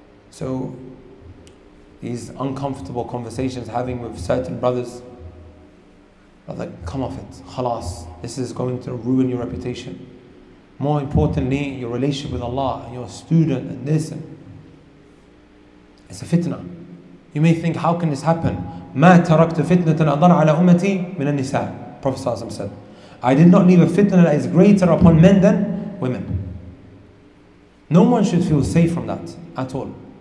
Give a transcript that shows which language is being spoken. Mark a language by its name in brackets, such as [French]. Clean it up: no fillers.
[English] So these uncomfortable conversations having with certain brothers, brother, come off it, khalas, this is going to ruin your reputation. More importantly, your relationship with Allah and your student and this, and it's a fitna. You may think, how can this happen? [Arabic] مَا تَرَكْتُ فِتْنَةً أَضَرْ عَلَى أُمَّتِي مِنَ النِّسَاءِ. [English] Prophet ﷺ said, I did not leave a fitna that is greater upon men than women. No one should feel safe from that at all.